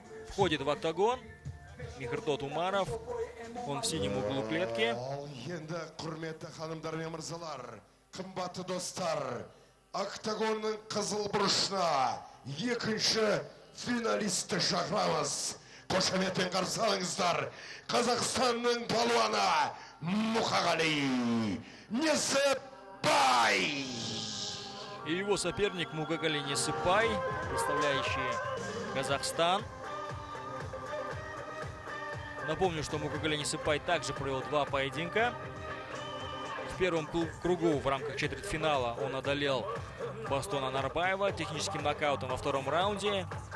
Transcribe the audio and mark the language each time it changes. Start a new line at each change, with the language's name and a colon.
Russian: Входит в октагон Мехрдот Умаров, он в синем углу клетки.
Kazakh: Енді құрметті ханымдар мен мырзалар, қымбатты достар, октагонның қызыл бұрышына екінші финалисті шақырамыз. Қошаметпен қарсы алыңыздар, Қазақстанның палуаны Мухагали Несипай.
Russian: И его соперник Мухагали Несипай, представляющий Казахстан. Напомню, что Мухагали Несипай также провел два поединка. В первом кругу в рамках четвертьфинала он одолел Бастона Нарбаева техническим нокаутом во втором раунде.